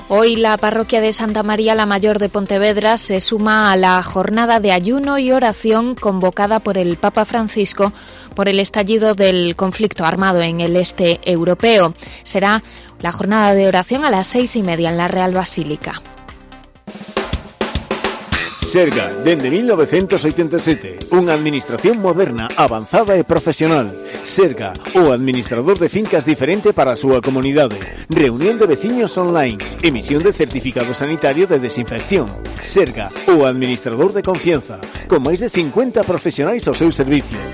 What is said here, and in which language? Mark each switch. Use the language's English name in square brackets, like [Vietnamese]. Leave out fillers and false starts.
[Spanish] Hoy la parroquia de Santa María la Mayor de Pontevedra se suma a la jornada de ayuno y oración convocada por el Papa Francisco por el estallido del conflicto armado en el este europeo. Será la jornada de oración a las 6:30 en la Real Basílica. [Galician] Serga, dende 1987, unha administración moderna, avanzada e profesional. Serga, o administrador de fincas diferente para a súa comunidade. Reunión de veciños online, emisión de certificado sanitario de desinfección. Serga, o administrador de confianza, con máis de 50 profesionais ao seu servicio.